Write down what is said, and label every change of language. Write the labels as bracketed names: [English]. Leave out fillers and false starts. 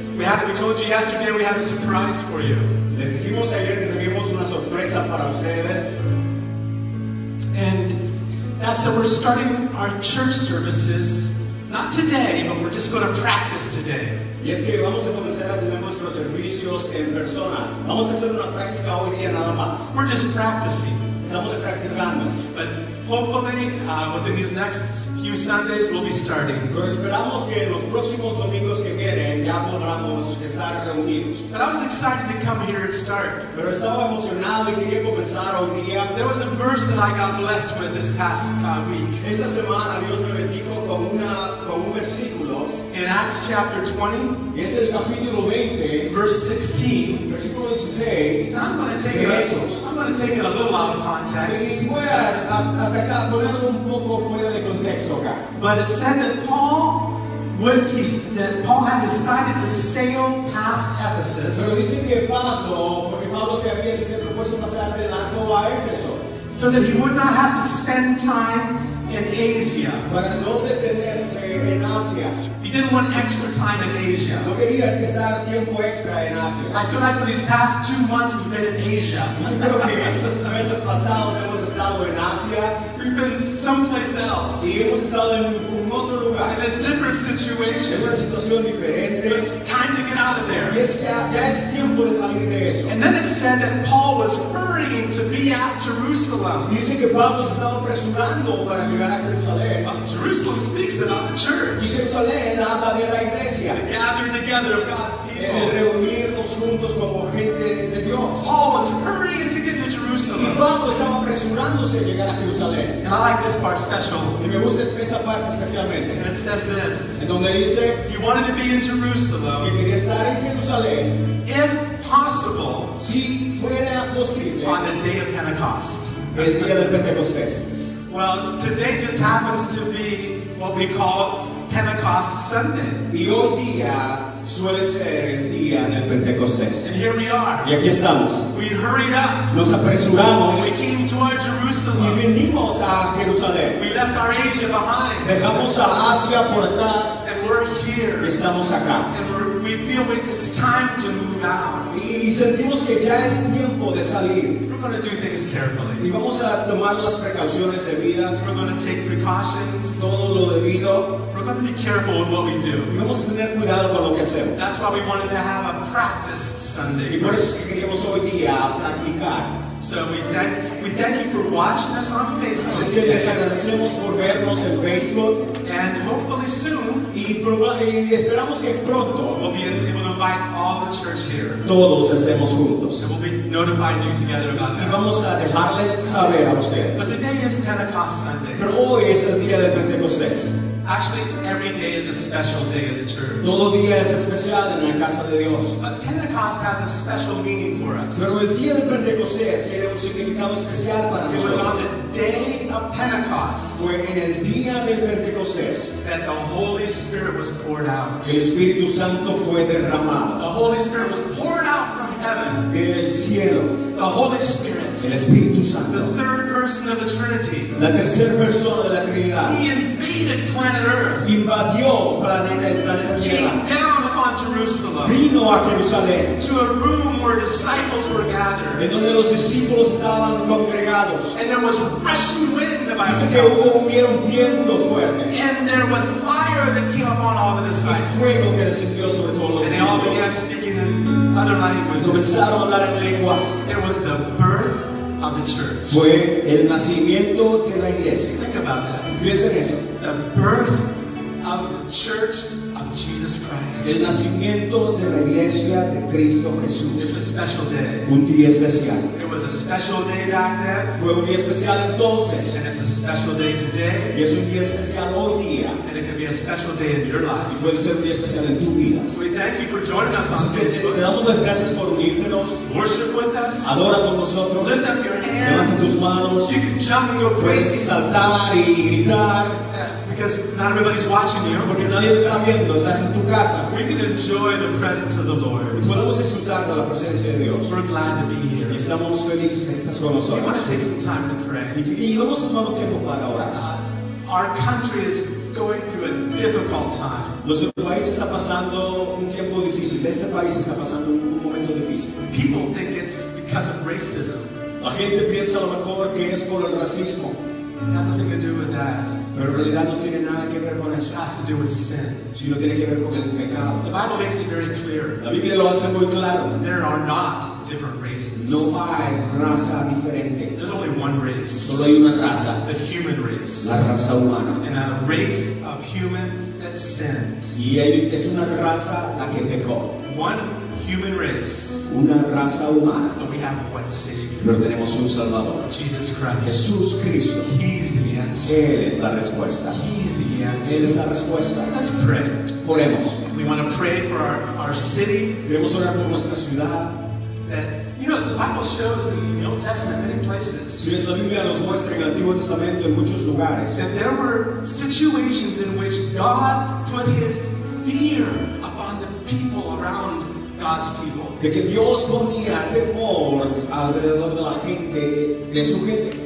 [English] We told you yesterday we have a surprise for you. [Spanish] Les dijimos ayer que teníamos una sorpresa para ustedes. [English] And that's so we're starting our church services not today, but we're just going to practice today. [Spanish] Y es que vamos a comenzar a tener nuestros servicios en persona. Vamos a hacer una práctica hoy día nada más. [English] We're just practicing. [Spanish] Estamos practicando. [English] But hopefully, within these next few Sundays, we'll be starting. [Spanish] Pero esperamos que los próximos domingos que vienen ya podamos estar reunidos. [English] But I was excited to come here and start. [Spanish] Pero estaba emocionado y quería comenzar hoy día. [English] There was a verse that I got blessed with this past week. [Spanish] Esta semana Dios me bendijo con un versículo. [English] In Acts chapter 20, [Spanish] es el capítulo 20, [English] verse 16, [Spanish] versículo 16, [English] I'm going to take it a little out of context. [Spanish] Y voy a sacar, ponerlo un poco fuera de contexto acá. [English] But it said that Paul had decided to sail past Ephesus. [Spanish] Pero dice que Pablo, porque Pablo se había dice, propuesto pasar de largo a Éfeso. [English] So that he would not have to spend time in Asia. [Spanish] Para no detenerse en Asia. [English] He didn't want extra time in Asia. [Spanish] No quería estar tiempo extra en Asia. [English] I feel like for these past 2 months we've been in Asia. [Spanish] Yo creo que estos meses pasados hemos estado en Asia. [English] We've been someplace else. [Spanish] Y hemos estado en un otro lugar. [English] In a different situation. [Spanish] En una situación diferente. [English] But it's time to get out of there. [Spanish] Y es ya, ya es tiempo de salir de eso. [English] And then it said that Paul was hurrying to be at Jerusalem. [Spanish] Y dice que Pablo se estaba apresurando para llegar a Jerusalén. [English] Well, Jerusalem speaks about the church. [Spanish] Y Jerusalén habla de la iglesia. [English] The gathering together of God's people. [Spanish] El reunirnos juntos como gente de Dios. [English] Paul was hurrying to get to Jerusalem. [Spanish] Y Pablo estaba apresurándose a llegar a Jerusalén. [English] And I like this part special. [Spanish] Y me gusta esta parte especialmente. [English] And it says this. [Spanish] En donde dice, [English] he wanted to be in Jerusalem. [Spanish] Que quería estar en Jerusalén. [English] If possible. [Spanish] Si fuera posible. [English] On the day of Pentecost. [Spanish] El día del Pentecostés. [English] Well, today just happens to be what we call Pentecost Sunday. [Spanish] Y hoy día suele ser el día del Pentecostés. [English] And here we are. [Spanish] Y aquí estamos. [English] We hurried up. [Spanish] Nos apresuramos. [English] We came toward Jerusalem. [Spanish] Y vinimos a Jerusalén. [English] We left our Asia behind. [Spanish] Dejamos a Asia por atrás. [English] And we're here. [Spanish] Y estamos acá. [English] And we feel like it's time to move out. [Spanish] Y sentimos que ya es tiempo de salir. [English] We're going to do things carefully. [Spanish] Y vamos a tomar las precauciones debidas. [English] We're going to take precautions. [Spanish] Todo lo debido. [English] We're going to be careful with what we do. [Spanish] Y vamos a tener cuidado con lo que hacemos. [English] That's why we wanted to have a practice Sunday. [Spanish] Y por eso queríamos hoy día practicar. [English] So we thank you for watching us on Facebook. [Spanish] Así que les agradecemos por vernos en Facebook. [English] And hopefully soon. [Spanish] Y esperamos que pronto. [English] We'll be able to invite all the church here. [Spanish] Todos estemos juntos. [English] And we'll be notifying you together about that. [Spanish] Y vamos a dejarles saber a ustedes. [English] But today is Pentecost Sunday. [Spanish] Pero hoy es el día de Pentecostés. [English] Actually, every day is a special day in the church. [Spanish] Todo día es especial en la casa de Dios. [English] But Pentecost has a special meaning for us. [Spanish] Pero el día de Pentecostés tiene un significado especial para nosotros. [English] It was on the day of Pentecost. [Spanish] Fue en el día del Pentecostés. [English] That the Holy Spirit was poured out. [Spanish] El Espíritu Santo fue derramado. [English] The Holy Spirit was poured out from heaven. [Spanish] En el cielo. [English] The Holy Spirit. [Spanish] El Espíritu Santo. [English] The third person of the Trinity. [Spanish] La tercera persona de la Trinidad. [English] He invaded planet Earth. [Spanish] Invadió planeta Tierra. [English] Came down upon Jerusalem. [Spanish] Vino a Jerusalén. [English] To a room where disciples were gathered. [Spanish] En donde los discípulos estaban congregados. [English] And there was rushing wind, the Bible [Spanish] dice que hubieron vientos fuertes. [English] And there was fire that came upon all the disciples. [Spanish] Y fuego que descendió sobre todos los discípulos. [English] And they all began speaking in other languages. [Spanish] Comenzaron a hablar en lenguas. [English] It was the birth of the church. [Spanish] Fue el nacimiento de la iglesia. [English] Think about that. [Spanish] Piensen eso. [English] The birth of the church of Jesus Christ. [Spanish] El nacimiento de la iglesia de Cristo Jesús. [English] It's a special day. [Spanish] Un día especial. [English] It was a special day back then. [Spanish] Fue un día especial entonces. [English] And it's a special day today. [Spanish] Y es un día especial hoy día. [English] And it can be a special day in your life. [Spanish] Y puede ser un día especial en tu vida. [English] So we thank you for joining us on Facebook. [Spanish] Te damos las gracias por unirnos. [English] Worship with us. [Spanish] Adora con nosotros. [English] Lift up your hands. [Spanish] Levanta tus manos. [English] You can jump and go crazy. [Spanish] Puedes saltar y gritar. [English] Because not everybody's watching you. [Spanish] Porque nadie te está viendo. Estás en tu casa. [English] We can enjoy the presence of the Lord. [Spanish] Podemos disfrutar de la presencia de Dios. [English] We're glad to be here. [Spanish] Y estamos felices de estar con nosotros. [English] We want to take some time to pray. [Spanish] Y vamos a tomar un tiempo para orar. [English] Our country is going through a difficult time. [Spanish] Nuestro país está pasando un tiempo difícil. Este país está pasando un momento difícil. [English] People think it's because of racism. [Spanish] La gente piensa a lo mejor que es por el racismo. [English] It has nothing to do with that. [Spanish] Pero en realidad no tiene nada que ver con eso. [English] It has to do with sin. [Spanish] Sino tiene que ver con el pecado. [English] The Bible makes it very clear. [Spanish] La Biblia lo hace muy claro. [English] There are not different races. [Spanish] No hay raza diferente. [English] There's only one race. [Spanish] Solo hay una raza. [English] The human race. [Spanish] La raza humana. [English] And a race of humans that sinned. [Spanish] Y es una raza la que pecó. [English] One human race. [Spanish] Una raza humana. [English] But we have one Savior. [Spanish] Pero tenemos un Salvador. [English] Jesus Christ. [Spanish] Jesús Cristo. [English] He's the answer. [Spanish] Él es la respuesta. [English] He's the answer. [Spanish] Él es la respuesta. [English] Let's pray. [Spanish] Oremos. [English] We want to pray for our city. [Spanish] Queremos orar por nuestra ciudad. [English] That, you know, the Bible shows in the Old Testament many places. [Spanish] Si es la Biblia nos muestra en el Antiguo Testamento en muchos lugares. [English] That there were situations in which God put His fear upon the people around God's people. [Spanish] De que Dios ponía temor alrededor de la gente, de su gente.